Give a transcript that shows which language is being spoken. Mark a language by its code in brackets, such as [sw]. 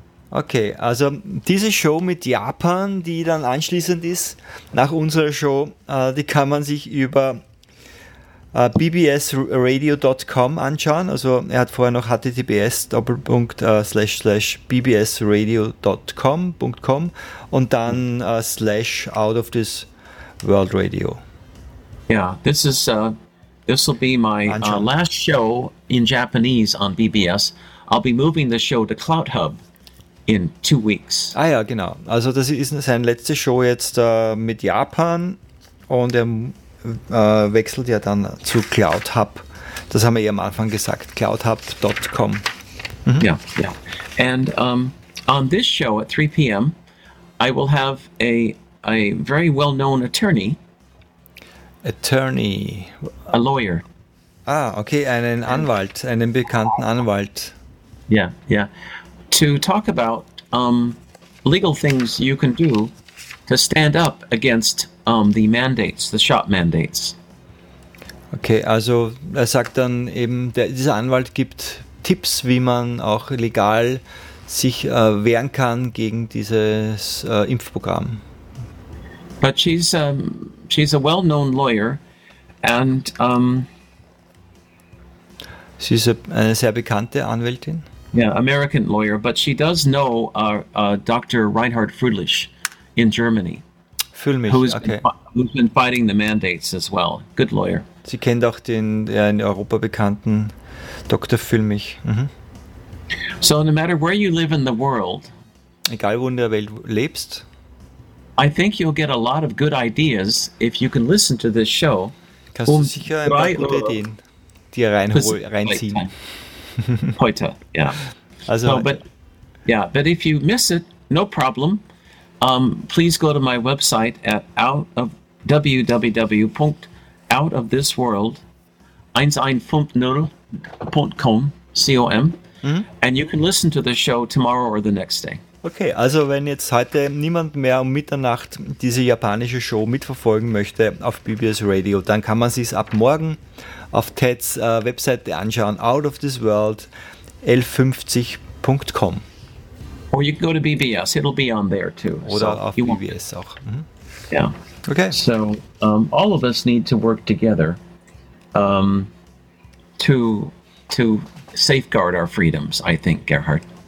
[de] Okay, also diese Show mit Japan, die dann anschließend ist, nach unserer Show, die kann man sich über bbsradio.com anschauen. Also er hat vorher noch https://bbsradio.com.com und dann /out of this [en] World Radio. Yeah, this is this will be my last show in Japanese on BBS. I'll be moving the show to Cloud Hub in 2 weeks. [de] Ah ja, genau. Also das ist sein letzte Show jetzt mit Japan und er wechselt ja dann zu Cloud Hub. Das haben wir ja am Anfang gesagt, cloudhub.com. [en] Mhm. Yeah, yeah. And on this show at 3 p.m., I will have a very well-known attorney. Attorney. A lawyer. [de] Ah, okay, einen Anwalt, einen bekannten Anwalt. [en] Yeah, yeah. To talk about legal things you can do to stand up against the mandates, the shop mandates. [de] Okay, also er sagt dann eben, dieser Anwalt gibt Tipps, wie man auch legal sich wehren kann gegen dieses Impfprogramm. [en] But she's a well-known lawyer and [de] sie ist eine sehr bekannte Anwältin. [en] Yeah, American lawyer, but she does know Dr. Reinhard Frühlich in Germany. Frühlich, who's okay. Who's been fighting the mandates as well. Good lawyer. [de] Sie kennt auch den in Europa bekannten Dr. Füllmich. Mhm. [en] So no matter where you live in the world, [de] egal wo in der Welt lebst, [en] I think you'll get a lot of good ideas if you can listen to this show. [de] Kannst du sicher ein paar gute Ideen dir reinziehen. Heute, ja. Also, [en] but if you miss it, no problem. Please go to my website at www.outofthisworld1150.com, and you can listen to the show tomorrow or the next day. [de] Okay, also wenn jetzt heute niemand mehr um Mitternacht diese japanische Show mitverfolgen möchte auf BBS Radio, dann kann man sich es ab morgen auf Teds Webseite anschauen, outofthisworld1150.com. [en] Or you can go to BBS, it'll be on there too. [de] Oder so auf BBS auch. [en] Mhm. Yeah. Okay. So all of us need to work together to safeguard our freedoms, I think, Gerhard.